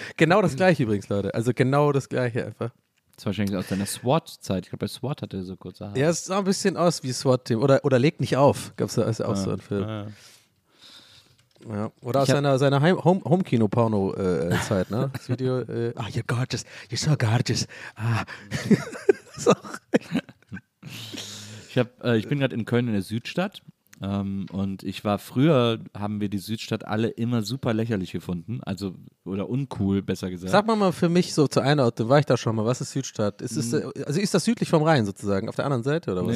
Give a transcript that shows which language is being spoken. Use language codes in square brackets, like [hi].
[de] Genau das gleiche übrigens, Leute, also genau das gleiche einfach. Das ist wahrscheinlich aus deiner SWAT-Zeit, ich glaube bei SWAT hatte er so kurze Haare. Ja, es sah ein bisschen aus wie SWAT-Team oder Legt nicht auf, gab es da also auch so einen Film. Ja, oder aus seiner Home-Kino-Porno-Zeit, ne? Das Video, [en] ah, oh, you're gorgeous, you're so gorgeous. Ah. [de] Ich bin gerade in Köln in der Südstadt und ich war früher, haben wir die Südstadt alle immer super lächerlich gefunden, also, oder uncool, besser gesagt. Sag mal für mich so zur Einordnung, war ich da schon mal, was ist Südstadt? Ist das südlich vom Rhein sozusagen, auf der anderen Seite oder was?